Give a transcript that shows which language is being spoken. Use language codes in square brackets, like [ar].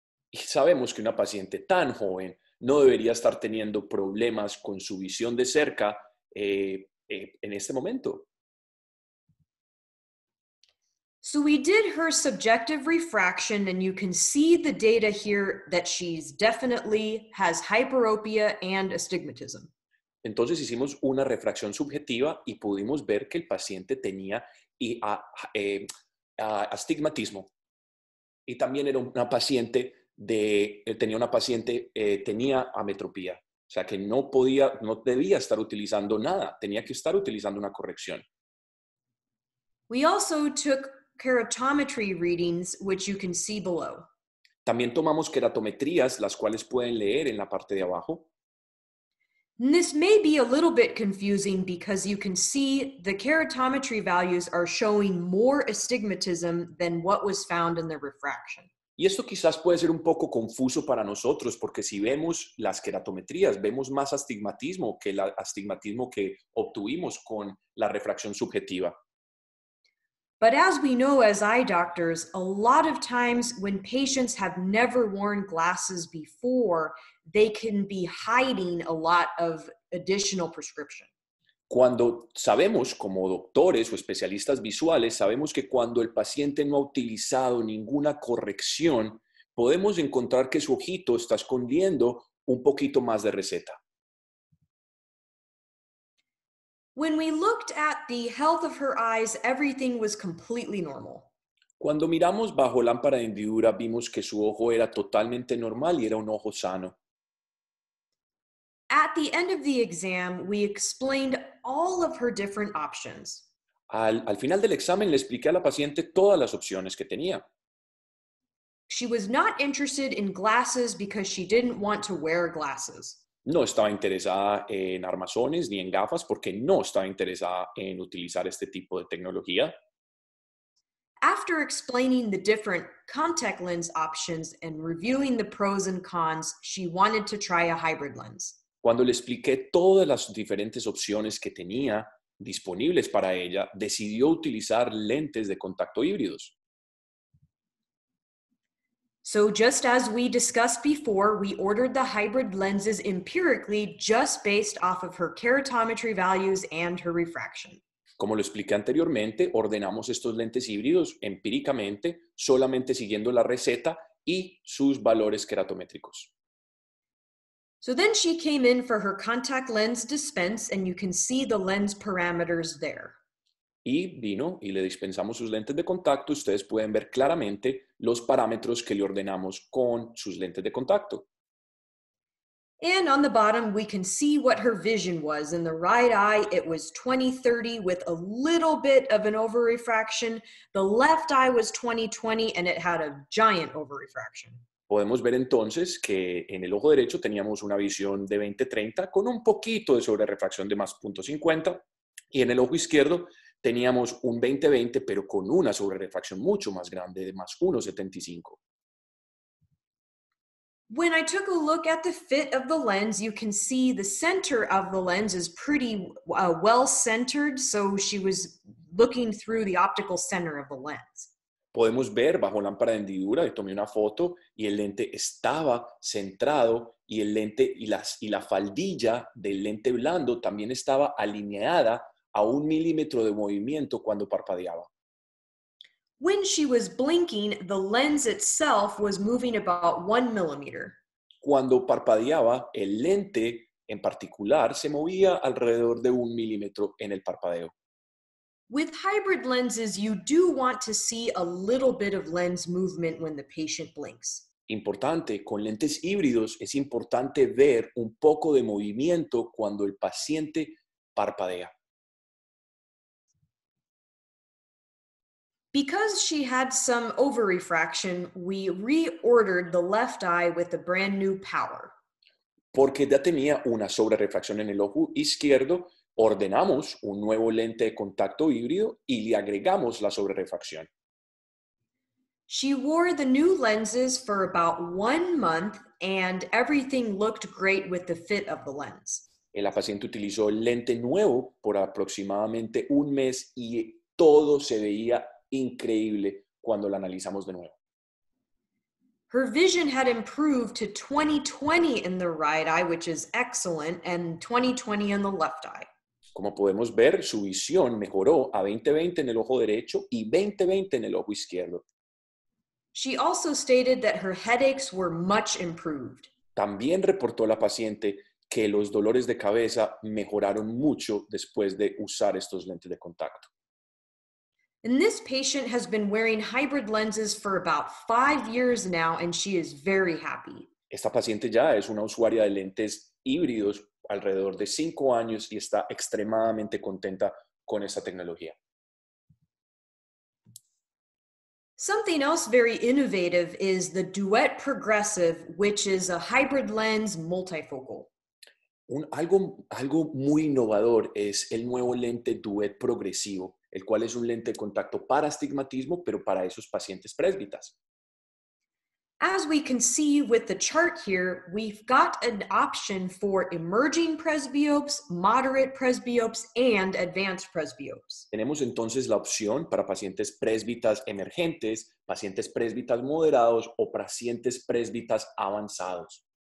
[es] Y sabemos que una paciente tan joven no debería estar teniendo problemas con su visión de cerca en este momento. [en] So we did her subjective refraction and you can see the data here that she's definitely has hyperopia and astigmatism. [es] Entonces hicimos una refracción subjetiva y pudimos ver que el paciente tenía astigmatismo. Y también era una paciente tenía ametropía. O sea que no debía estar utilizando nada, tenía que estar utilizando una corrección. [en] We also took keratometry readings, which you can see below. [es] También tomamos queratometrías, las cuales pueden leer en la parte de abajo. [en] And this may be a little bit confusing because you can see the keratometry values are showing more astigmatism than what was found in the refraction. [es] Y esto quizás puede ser un poco confuso para nosotros porque si vemos las queratometrías, vemos más astigmatismo que el astigmatismo que obtuvimos con la refracción subjetiva. [en] But as we know as eye doctors, a lot of times when patients have never worn glasses before, they can be hiding a lot of additional prescription. [es] Cuando sabemos, como doctores o especialistas visuales, sabemos que cuando el paciente no ha utilizado ninguna corrección, podemos encontrar que su ojito está escondiendo un poquito más de receta. [en] When we looked at the health of her eyes, everything was completely normal. [es] Cuando miramos bajo lámpara de hendidura, vimos que su ojo era totalmente normal y era un ojo sano. [en] At the end of the exam, we explained all of her different options. [es] Al final del examen, le expliqué a la paciente todas las opciones que tenía. [en] She was not interested in glasses because she didn't want to wear glasses. [es] No estaba interesada en armazones ni en gafas porque no estaba interesada en utilizar este tipo de tecnología. [en] After explaining the different contact lens options and reviewing the pros and cons, she wanted to try a hybrid lens. [es] Cuando le expliqué todas las diferentes opciones que tenía disponibles para ella, decidió utilizar lentes de contacto híbridos. [en] So just as we discussed before, we ordered the hybrid lenses empirically just based off of her keratometry values and her refraction. [es] Como lo expliqué anteriormente, ordenamos estos lentes híbridos empíricamente, solamente siguiendo la receta y sus valores keratométricos. [en] So then she came in for her contact lens dispense and you can see the lens parameters there. [es] Y vino y le dispensamos sus lentes de contacto. Ustedes pueden ver claramente los parámetros que le ordenamos con sus lentes de contacto. [en] And on the bottom, we can see what her vision was. In the right eye, it was 20/30 with a little bit of an over-refraction. The left eye was 20/20 and it had a giant over-refraction. [es] Podemos ver entonces que en el ojo derecho teníamos una visión de 20/30 con un poquito de sobrerefracción de más 0.50 y en el ojo izquierdo teníamos un 20/20 pero con una sobrerefracción mucho más grande de más 1.75. [en] When I took a look at the fit of the lens, you can see the center of the lens is pretty well centered, so she was looking through the optical center of the lens. [es] Podemos ver bajo lámpara de hendidura, y tomé una foto y el lente estaba centrado y el lente y la faldilla del lente blando también estaba alineada a un milímetro de movimiento cuando parpadeaba. [en] When she was blinking, the lens itself was moving about 1 millimeter. [es] Cuando parpadeaba, el lente en particular se movía alrededor de 1 millimeter en el parpadeo. [en] With hybrid lenses, you do want to see a little bit of lens movement when the patient blinks. [es] Importante, con lentes híbridos es importante ver un poco de movimiento cuando el paciente parpadea. [en] Because she had some over-refraction, we reordered the left eye with a brand new power. [es] Porque ya tenía una sobrerefracción en el ojo izquierdo, ordenamos un nuevo lente de contacto híbrido y le agregamos la sobrerefracción. [en] She wore the new lenses for about 1 month and everything looked great with the fit of the lens. [es] La paciente utilizó el lente nuevo por aproximadamente un mes y todo se veía increíble cuando la analizamos de nuevo. [en] Her vision had improved to 20/20 in the right eye, which is excellent, and 20/20 in the left eye. [es] Como podemos ver, su visión mejoró a 20/20 en el ojo derecho y 20/20 en el ojo izquierdo. [en] She also stated that her headaches were much improved. [es] También reportó la paciente que los dolores de cabeza mejoraron mucho después de usar estos lentes de contacto. [en] And this patient has been wearing hybrid lenses for about 5 years now, and she is very happy. [es] Esta paciente ya es una usuaria de lentes híbridos alrededor de 5 años y está extremadamente contenta con esta tecnología. [en] Something else very innovative is the Duet Progressive, which is a hybrid lens multifocal. [es] Algo muy innovador es el nuevo lente Duet Progresivo, el cual es un lente de contacto para astigmatismo, pero para esos pacientes presbitas. [en] As we can see with the chart here, we've got an option for emerging presbyopes, moderate presbyopes, and advanced presbyopes. [es] Tenemos entonces la opción para pacientes presbitas emergentes, pacientes presbitas moderados, o pacientes presbitas avanzados.